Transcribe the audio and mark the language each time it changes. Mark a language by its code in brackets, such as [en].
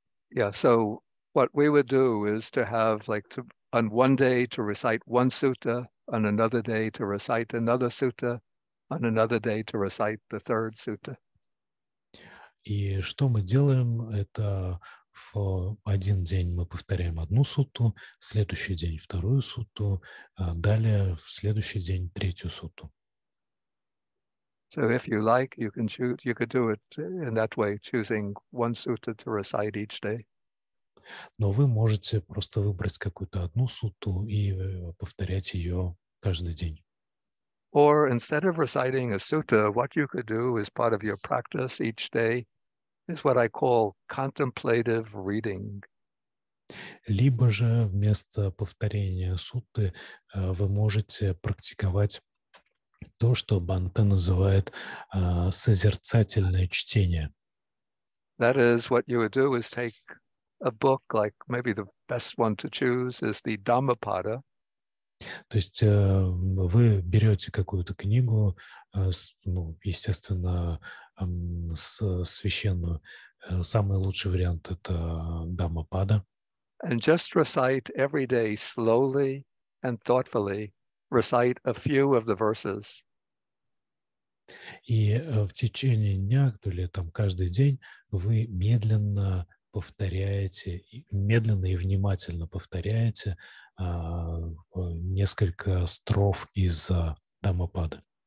[en] Yeah, so what we would do is to have like to, on one day to recite one sutta, on another day to recite another sutta, on another day to recite the third sutta. [ru] И что мы делаем, это в один день мы повторяем одну сутту, в следующий день вторую сутту, далее в следующий день третью сутту. [en] So if you like, you can choose, you could do it in that way, choosing one sutta to recite each day. [ru] Но вы можете просто выбрать какую-то одну сутту и повторять ее каждый день. [en] Or instead of reciting a sutta, what you could do as part of your practice each day is what I call contemplative reading. [ru] Либо же вместо повторения сутты вы можете практиковать то, что Бхante называет созерцательное чтение. [en] That is what you would do is take a book, like maybe the best one to choose is the Dhammapada. [ru] То есть вы берете какую-то книгу, ну, естественно, священную. Самый лучший вариант — это Дхаммапада. [en] And just recite every day slowly and thoughtfully, recite a few of the verses. [ru] И в течение дня, или там каждый день, вы медленно повторяете, медленно и внимательно повторяете несколько строф из Дхаммапады.